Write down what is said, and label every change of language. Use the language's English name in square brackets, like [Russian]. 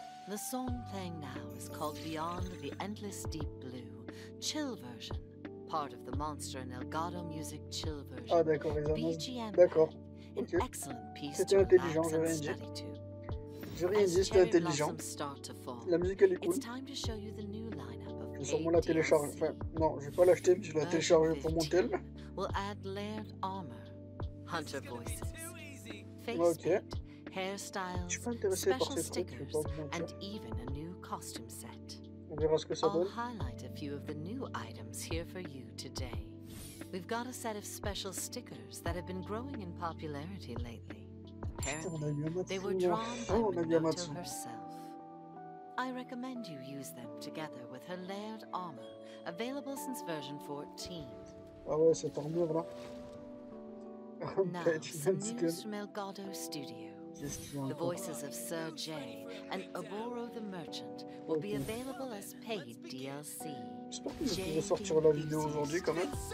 [English] The song playing now is called Beyond the Endless Deep Blue, chill version, part of the Monster and Elgato Music chill version. [French] Ah d'accord, les amis. BGM. D'accord. [English] An excellent piece to relax and study to. As cherry blossoms start to fall, [French] la musique elle est cool. [English] It's time to show you the new lineup of [French] AD&C. Sûrement la télécharger. Enfin, non, je vais pas l'acheter, mais je vais la télécharger pour mon tel. [English] We'll add layered armor, hunter voices, face paint, hairstyles, special stickers, and even a new costume set. [French] On verra ce que ça donne. [English] I'll highlight a few of the new items here for you today. We've got a set of special stickers that have been growing in popularity lately. Apparently, they were drawn by Minato herself. I recommend you use them together with her layered armor, available since version 14. [French] Ah ouais, cette armure là. [English] Now, some news from Elgato Studio. The voices of Sir Jay and Aboro the Merchant will be available as paid DLC. [French] J'espère que je pourrai sortir la vidéo aujourd'hui quand même.